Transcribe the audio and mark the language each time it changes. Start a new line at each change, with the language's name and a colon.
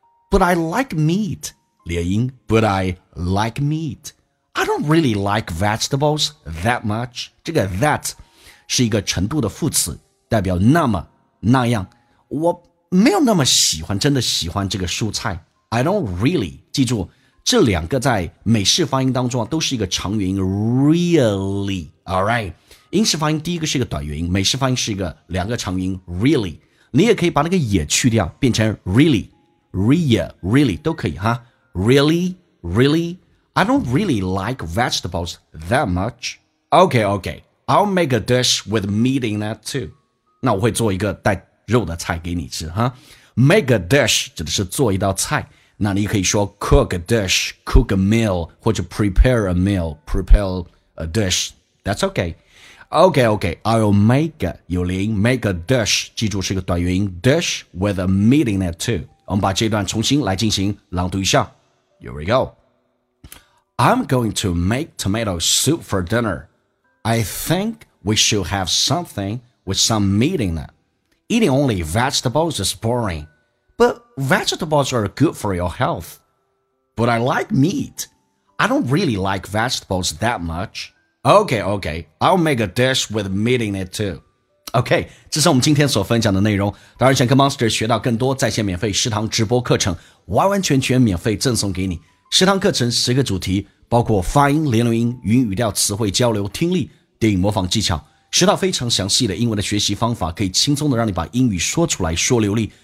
English: But I like meat
Chinese: 连音，
English: but I like meatI don't really like vegetables that much.
Chinese: 这个 that 是一个程度的副词，代表那么那样。我没有那么喜欢，真的喜欢这个蔬菜。
English: I don't really,
Chinese: 记住这两个在美式发音当中都是一个长元音
English: really, alright,
Chinese: 英式发音第一个是一个短元音，美式发音是一个两个长元音
English: really,
Chinese: 你也可以把那个也去掉变成
English: really, real, really,
Chinese: 都可以哈
English: really, really, I don't really like vegetables that much, okay, okay, I'll make a dish with meat in that too,
Chinese: 那我会做一个带肉的菜给你吃哈
English: make a dish
Chinese: 指的是做一道菜，那你可以说
English: cook a dish, cook a meal,
Chinese: 或者
English: prepare a meal, prepare a dish, that's okay. Okay, okay, I'll make a,
Chinese: 有连音
English: make a dish,
Chinese: 记住是个短元音
English: dish with a meat in it too.
Chinese: 我们把这段重新来进行朗读一下。
English: Here we go. I'm going to make tomato soup for dinner. I think we should have something with some meat in it. Eating only vegetables is boring. But vegetables are good for your health. But I like meat. I don't really like vegetables that much. Okay, okay. I'll make a dish with meat in it too.
Chinese: Okay, 这是我们今天所分享的内容。当然想跟 Monster 学到更多在线免费食堂直播课程，完完全全免费赠送给你。食堂课程十个主题，包括发音、连读音、语音语调、词汇交流、听力、电影模仿技巧，学到非常详细的英文的学习方法，可以轻松的让你把英语说出来，说流利。